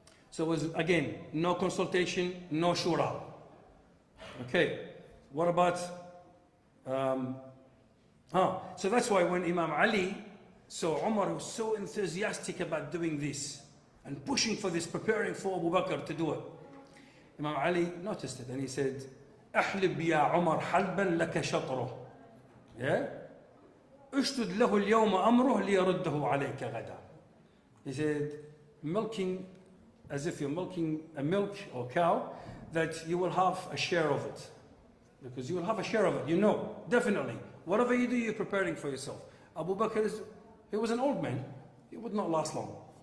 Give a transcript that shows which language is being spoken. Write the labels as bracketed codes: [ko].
[en] So it was, again, no consultation, no shura. Okay, what about, so that's why when Imam Ali saw Umar, who was so enthusiastic about doing this, and pushing for this, preparing for Abu Bakr to do it, Imam Ali noticed it and he said, [ar] أحلب يا عمر حلبا لك شطره. [en] Yeah? [ar] اشتد له اليوم أمره ليرده عليك غدا. [en] He said, milking, as if you're milking a milk or cow, that you will have a share of it. Because you will have a share of it, you know, definitely. Whatever you do, you're preparing for yourself. Abu Bakr, he was an old man. He would not last long.